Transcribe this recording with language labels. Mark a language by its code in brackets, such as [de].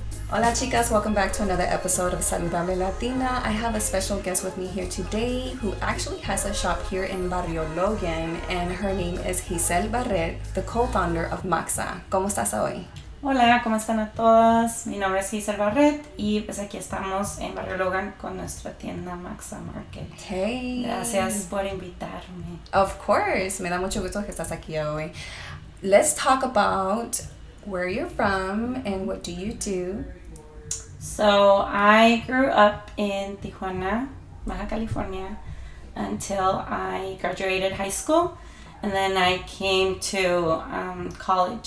[es] Hola chicas, [en] welcome back to another episode of Saludable Latina. I have a special guest with me here today who actually has a shop here in Barrio Logan, and her name is Giselle Barret, the co-founder of MAXA. [es] ¿Cómo estás hoy? Hola, ¿cómo están a todas? Mi nombre es Giselle Barret y pues aquí estamos en Barrio Logan con nuestra tienda MAXA Market. [en] Hey. [es] Gracias por invitarme. [en] Of course, [es] me da mucho gusto que estás aquí hoy. [en] Let's talk about where you're from and what do you do. So I grew up in Tijuana, Baja California, until I graduated high school, and then I came to college.